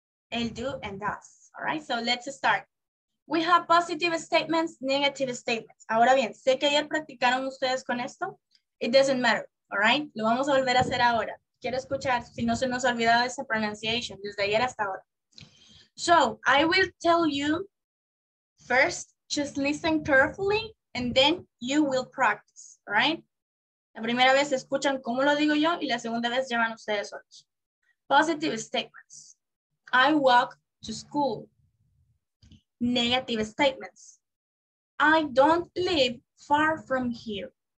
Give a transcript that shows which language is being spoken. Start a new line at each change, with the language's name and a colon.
English: El do and does, all right? So let's start. We have positive statements, negative statements.
Spanish: Ahora bien, sé que ayer practicaron ustedes con esto.
English: It doesn't matter, all right?
Spanish: Lo vamos a volver a hacer ahora. Quiero escuchar si no se nos ha olvidado esa pronunciation desde ayer hasta ahora.
English: So, I will tell you first, just listen carefully, and then you will practice, right?
Spanish: La primera vez escuchan cómo lo digo yo, y la segunda vez llevan ustedes solos.
English: Positive statements. I walk to school. Negative statements. I don't live far from here.